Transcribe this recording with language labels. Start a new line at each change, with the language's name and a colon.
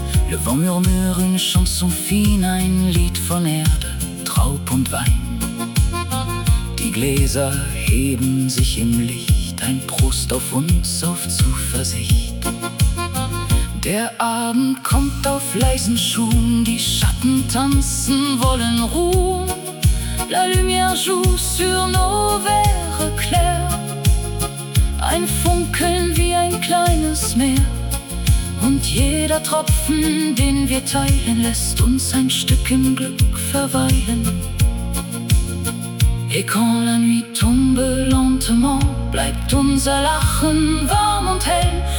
French: Le vent murmure une chanson fine,
German: ein Lied von Erde, Traub und Wein. Die Gläser heben sich im Licht, ein Prost auf uns, auf Zuversicht. Der Abend kommt auf leisen Schuhen, die Schatten tanzen, wollen ruhen.
French: La lumière joue sur nos verres clairs.
German: Ein Funkeln wie ein kleines Meer. Und jeder Tropfen, den wir teilen, lässt uns ein Stück im Glück verweilen.
French: Et quand la nuit tombe lentement,
German: bleibt unser Lachen warm und hell.